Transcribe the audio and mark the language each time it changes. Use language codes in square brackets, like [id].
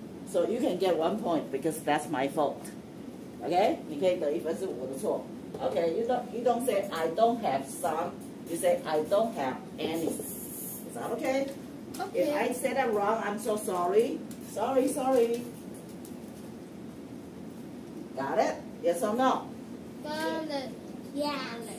[en] So you can get one point because that's my fault. [zh] OK，你可以得一分是我的错。 [en] OK, you don't say I don't have some. You say I don't have any. Is that okay? Okay. If I said that wrong, I'm so sorry. Sorry, sorry. Got it? Yes or no? Got it. Yes.